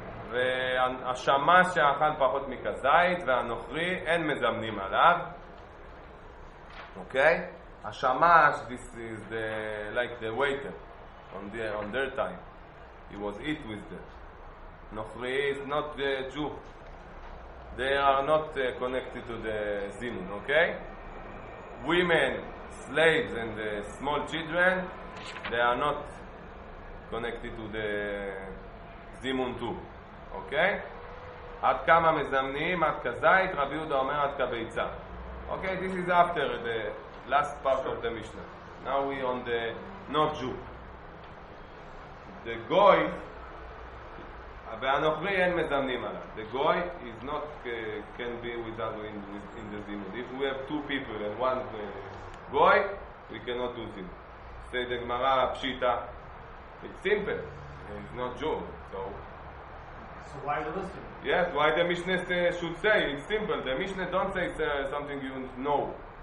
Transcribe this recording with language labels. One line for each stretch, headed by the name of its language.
Hebrew: והשמה שאכל פחות מכזית והנוכרי אין מזמנים עליו. אוקיי?
English: השמה, this is the, like the waiter on their time. He was eat with them. נוכרי is not the Jew. They are not connected to the Zimun, אוקיי? Women, slaves and the small children, they are not connected to the Zimun too.
Hebrew: אוקיי? עד כמה מזמנים, עד כזית, רבי יהודה אומר עד כביצה.
English: אוקיי, this is after the last part of the Mishnah. Now we on the not Jew.
Hebrew: The goy, והנוכרי אין מזמנים עליו.
English: The goy is not, can be without in the Zimun. If we have two people and one goy, we cannot do Zimun. Say the Gemara, פשיטה. It's simple. It's not Jew. So, so why the listener? Yes, why the Mishnah should say? It's simple. The Mishnah don't say something you know.